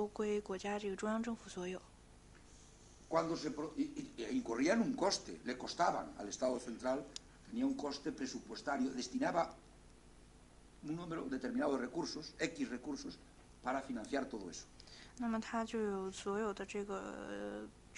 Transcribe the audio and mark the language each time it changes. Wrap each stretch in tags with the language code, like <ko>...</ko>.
<zh>我们比如说做一个假设，就是说，比如在宪法颁布以前，那么西班牙所有的地方的权利都归国家这个中央政府所有。</zh> <es>Cuando se incurría en un coste, le costaban al Estado central, tenía un coste presupuestario, destinaba un número determinado de recursos, X recursos, para financiar todo eso.</es> <zh>那么他就有所有的这个。</zh>